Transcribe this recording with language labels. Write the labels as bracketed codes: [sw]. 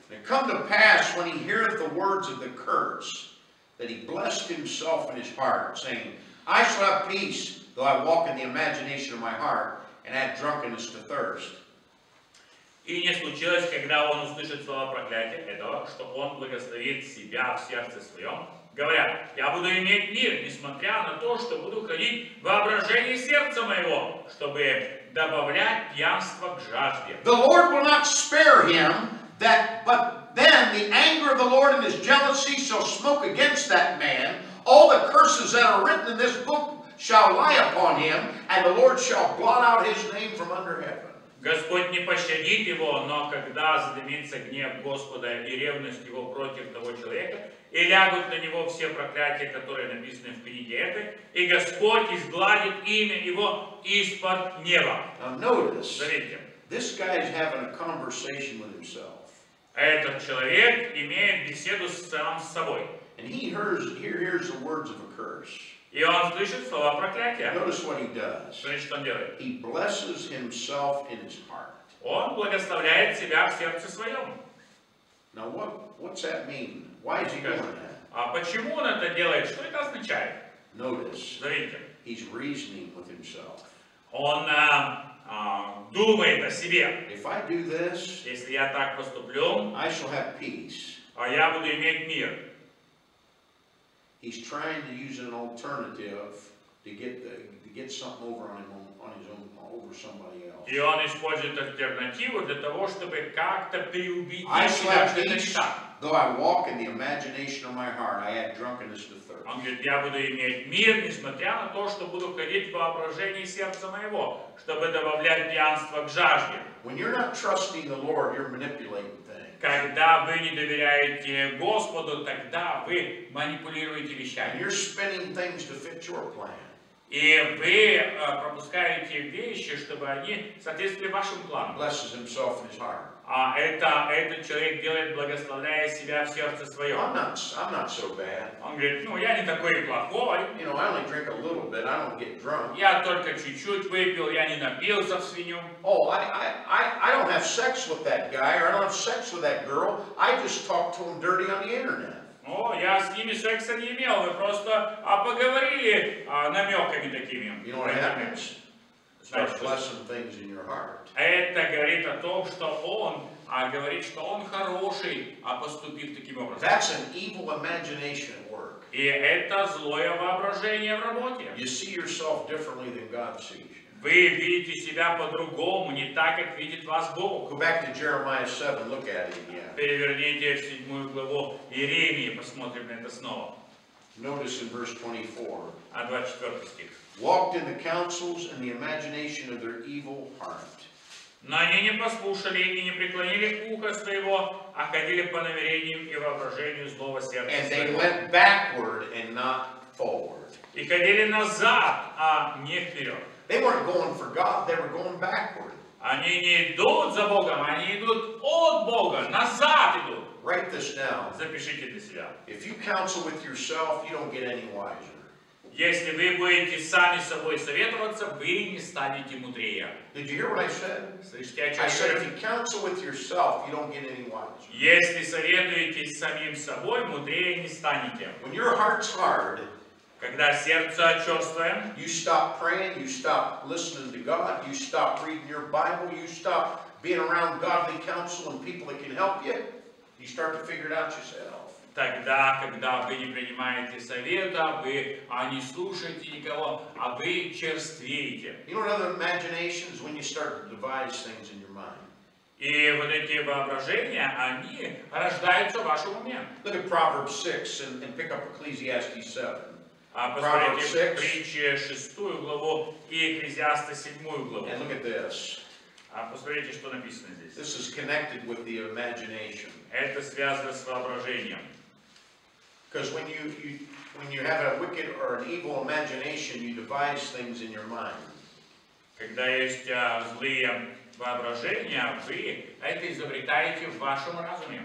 [en] And it come to pass when he heareth the words of the curse, that he blessed himself in his heart, saying, I shall have peace, though I walk in the imagination of my heart. And add drunkenness to thirst. [ru] И не случилось, когда он услышит слово проклятия этого, что он благословит себя в сердце своем, говоря, я буду иметь мир, несмотря на то, что буду ходить в воображении сердца моего, чтобы добавлять пьянство к жажде. [en] The Lord will not spare him, that, but then the anger of the Lord and his jealousy shall smoke against that man. All the curses that are written in this book shall lie upon him, and the Lord shall blot out his name from under heaven. [ru] Господь не пощадит его, но когда задымится гнев Господа и ревность его против того человека, и лягут на него все проклятия, которые написаны в книге этой, и Господь изгладит имя его из-под неба. [en] Now notice, [ru] смотрите, [en] this guy is having a conversation with himself. [ru] Этот человек имеет беседу сам с собой. [en] And he hears the words of a curse. [ru] И он слышит слова проклятия. [en] Notice what he does. [ru] Смотрите, что он делает. [en] He blesses himself in his heart. [ru] Он благословляет себя в сердце своем. [en] Now what's that mean? Why is he doing that? [ru] А почему он это делает? Что это означает? [en] Notice. [ru] Смотрите. [en] He's reasoning with himself. [ru] Он думает о себе. [en] If I do this, [ru] если я так поступлю, [en] I shall have peace. [ru] А я буду иметь мир. [en] He's trying to use an alternative to get something over on his own over somebody else. [ru] И он использует альтернативу для того, чтобы как-то переубедить себя. [en] Though I walk in the imagination of my heart, I add drunkenness to thirst. [ru] Он говорит, я буду иметь мир, несмотря на то, что буду ходить в воображении сердца моего, чтобы добавлять пьянство к жажде. [en] When you're not trusting the Lord, you're manipulating. [ru] Когда вы не доверяете Господу, тогда вы манипулируете вещами. [en] You're spinning things to fit your plan. [ru] И вы пропускаете вещи, чтобы они соответствовали вашим планам. [en] Blesses himself in his heart. [ru] А этот человек делает, благословляя себя в сердце своем. [en] I'm not so bad. [ru] Он говорит, ну я не такой плохой. [en] You know, I only drink a little bit, I don't get drunk. [ru] Я только чуть-чуть выпил, я не напился в свинью. [en] Oh, I don't have sex with that guy, or I don't have sex with that girl. I just talk to him dirty on the internet. [ru] О, я с ними секса не имел, мы просто поговорили намеками такими. [en] You know what happens? Starts blessing things in your heart. [ru] Это говорит о том, что он говорит, что он хороший, поступив таким образом. [en] That's an evil imagination at work. [ru] И это злое воображение в работе. [en] You see yourself differently than God sees you. [ru] Вы видите себя по-другому, не так, как видит вас Бог. [en] Go back to Jeremiah 7, look at it again. [ru] Переверните в 7 главу Иеремии, посмотрим на это снова. [en] Notice in verse 24. [ru] А 24 стих. [en] Walked in the counsels and the imagination of their evil heart. [ru] Но они не послушали и не преклонили ухо своего, а ходили по намерениям и воображению злого сердца. [en] And they went backward and not forward. [ru] И ходили назад, а не вперед. [en] They weren't going for God, they were going backward. [ru] Они не идут за Богом, они идут от Бога, назад идут. [en] Write this down. [ru] Запишите для себя. [en] If you counsel with yourself, you don't get any wiser. [ru] Если вы будете сами собой советоваться, вы не станете мудрее. [en] Did you hear what I said? [ru] Слышите, о чем [en] I said, if you counsel with yourself, you don't get any wiser. [ru] Если советуетесь самим собой, мудрее не станете. [en] When your heart's hard, [ru] когда сердце чёрствое, [en] you stop praying, you stop listening to God, you stop reading your Bible, you stop being around godly counsel and people that can help you, you start to figure it out yourself. [ru] Тогда, когда вы не принимаете совета, вы не слушаете никого, а вы черствеете. [en] You know what other imaginations when you start to devise things in your mind. [ru] И вот эти воображения, они рождаются в вашем уме. [en] Look at Proverbs 6 and pick up Ecclesiastes 7. [ru] А посмотрите в притчи 6 главу и Екклезиаста 7 главу. [en] And look at this. [ru] А посмотрите, что написано здесь. [en] This is connected with the imagination. [ru] Это связано с воображением. [en] Because when you have a wicked or an evil imagination, you devise things in your mind. [ru] Когда есть злые воображения, вы это изобретаете в вашем разуме.